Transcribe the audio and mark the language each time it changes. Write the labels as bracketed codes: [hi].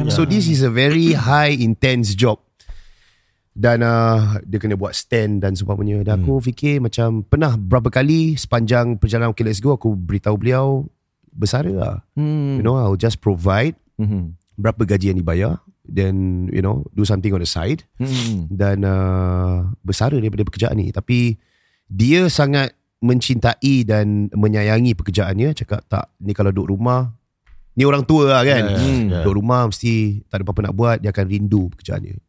[en] So this is a very high intense job. [ms] Dan dia kena buat stand dan sebagainya. Dan aku fikir macam pernah berapa kali sepanjang perjalanan Okay Let's Go aku beritahu beliau bersara lah. [en] You know, I'll just provide [ms] berapa gaji yang dibayar. [en] then you know, do something on the side. [ms] Hmm. Dan bersara daripada pekerjaan ni. Tapi dia sangat mencintai dan menyayangi pekerjaannya. Cakap tak, ni kalau duduk rumah, ni orang tua lah kan. Yeah, yeah. Duduk rumah mesti tak ada apa-apa nak buat. Dia akan rindu pekerjaannya.